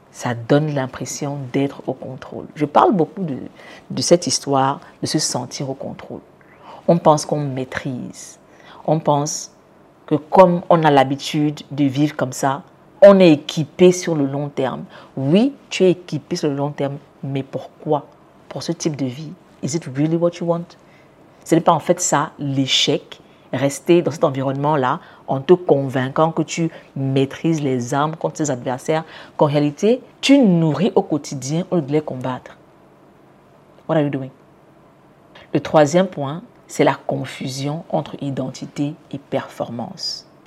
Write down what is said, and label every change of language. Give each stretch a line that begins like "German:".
French: Ça donne l'impression d'être au contrôle. Je parle beaucoup de cette histoire de se sentir au contrôle. On pense qu'on maîtrise. On pense que comme on a l'habitude de vivre comme ça, on est équipé sur le long terme. Oui, tu es équipé sur le long terme, mais pourquoi? Pour ce type de vie,
English: is it really what you want?
French: Ce n'est pas en fait ça, l'échec, rester dans cet environnement-là en te convaincant que tu maîtrises les armes contre tes adversaires, qu'en réalité, tu nourris au quotidien au lieu de les combattre.
English: What are you doing?
French: Le troisième point, c'est la confusion entre identité et performance.